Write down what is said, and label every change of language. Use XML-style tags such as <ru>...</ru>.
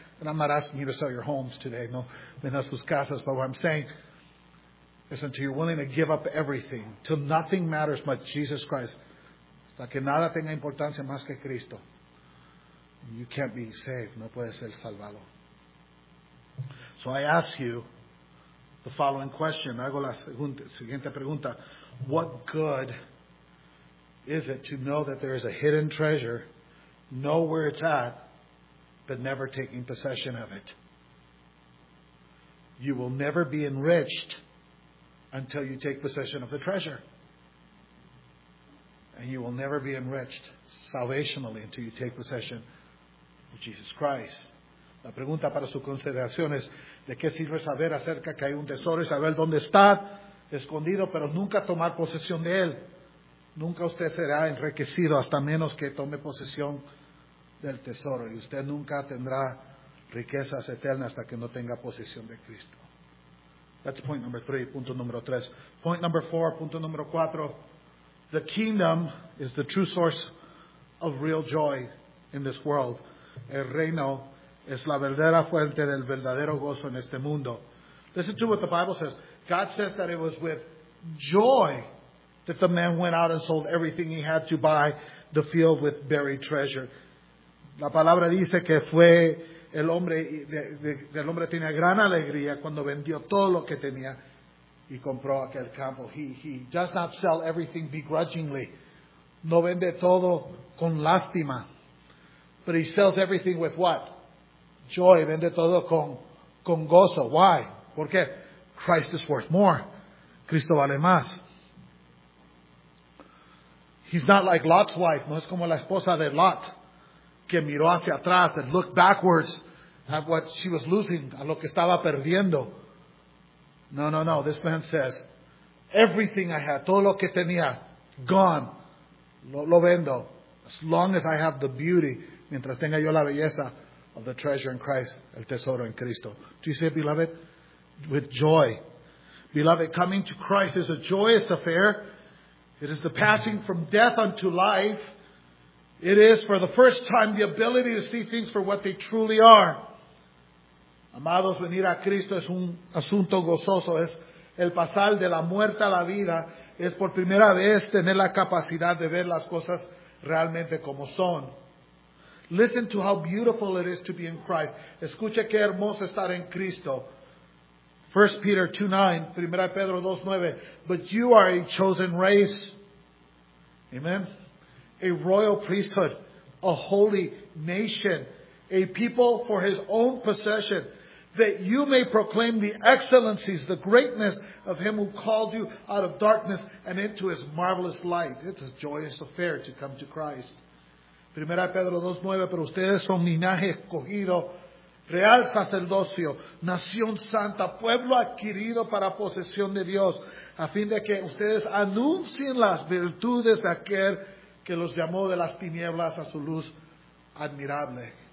<en>And I'm not asking you to sell your homes today,</en> <es>no venda sus casas,</es> <en>but what I'm saying, it's until you're willing to give up everything, till nothing matters but Jesus Christ.</en> <es>Hasta que nada tenga importancia más que Cristo.</es> <en>You can't be saved.</en> <es>No puedes ser salvado.</es> <en>So I ask you the following question.</en> <es>Hago la siguiente pregunta.</es> <en>What good is it to know that there is a hidden treasure, know where it's at, but never taking possession of it? You will never be enriched until you take possession of the treasure. And you will never be enriched salvationally until you take possession of Jesus Christ.</en> <es>La pregunta para su consideración es, ¿de qué sirve saber acerca que hay un tesoro y saber dónde está escondido, pero nunca tomar posesión de él? Nunca usted será enriquecido hasta menos que tome posesión del tesoro. Y usted nunca tendrá riquezas eternas hasta que no tenga posesión de Cristo.</es> <en>That's point number three,</en> <es>punto número tres.</es> <en>Point number four,</en> <es>punto número cuatro.</es> <en>The kingdom is the true source of real joy in this world.</en> <es>El reino es la verdadera fuente del verdadero gozo en este mundo.</es> <en>Listen to what the Bible says. God says that it was with joy that the man went out and sold everything he had to buy the field with buried treasure.</en> <es>La palabra dice que fue... El hombre tenía gran alegría cuando vendió todo lo que tenía y compró aquel campo.</es> <en>He does not sell everything begrudgingly.</en> <es>No vende todo con lástima.</es> <en>But he sells everything with what? Joy.</en> <es>Vende todo con gozo.</es> <en>Why?</en> <es>¿Por qué?</es> <en>Christ is worth more.</en> <es>Cristo vale más.</es> <en>He's not like Lot's wife.</en> <es>No es como la esposa de Lot, que miró hacia atrás</es> <en>and looked backwards at what she was losing,</en> <es>a lo que estaba perdiendo. No.</es> <en>This man says, everything I had,</en> <es>todo lo que tenía,</es> <en>gone.</en> <es>Lo vendo.</es> <en>As long as I have the beauty,</en> <es>mientras tenga yo la belleza</es> <en>of the treasure in Christ,</en> <es>el tesoro en Cristo.</es> <en>Do you say, beloved? With joy. Beloved, coming to Christ is a joyous affair. It is the passing from death unto life. It is, for the first time, the ability to see things for what they truly are.</en> <es>Amados, venir a Cristo es un asunto gozoso. Es el pasar de la muerte a la vida. Es por primera vez tener la capacidad de ver las cosas realmente como son.</es> <en>Listen to how beautiful it is to be in Christ.</en> <es>Escuche qué hermoso estar en Cristo.</es> <en>1 Peter 2:9, 1 Pedro 2:9, but you are a chosen race, amen, a royal priesthood, a holy nation, a people for his own possession, that you may proclaim the excellencies, the greatness of him who called you out of darkness and into his marvelous light. It's a joyous affair to come to Christ.</en> <es>1 Pedro 2:9, pero ustedes son linaje escogido, real sacerdocio, nación santa, pueblo adquirido para posesión de Dios, a fin de que ustedes anuncien las virtudes de aquel que los llamó de las tinieblas a su luz admirable.</es>